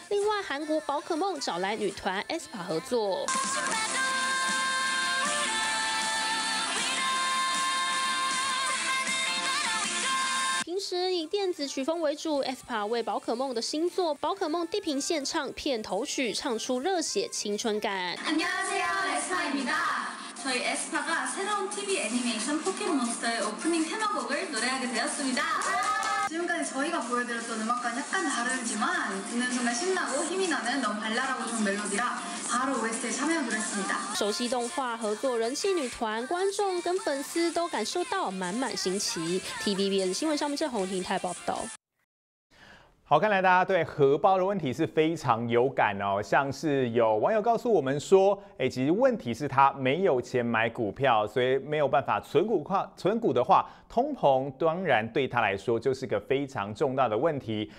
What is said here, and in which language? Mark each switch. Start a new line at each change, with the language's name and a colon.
Chinese: 另外，韩国宝可梦找来女团 aespa 合作。以电子曲风为主 ，aespa 为宝可梦的新作《宝可梦地平线》唱片头曲，唱出热血青春感。
Korean: 안녕하세요 aespa 입니다저희 aespa 가새로운 TV 애니메이션포켓몬스터의오프닝테마곡을노래하게되었습니다지금까지저희가보여드렸던음악과는약간다르지만듣는순간신나고힘이나는너무발랄하고좋은멜로디라
Chinese: 熟悉动画合作人气女团，观众跟粉丝都感受到满满新奇。 TVBS 新闻上面，郑宏婷台报道。好，看来大家对荷包的问题是非常有感哦。像是有网友告诉我们说，其实问题是他没有钱买股票，所以没有办法存股的话，通膨当然对他来说就是个非常重大的问题。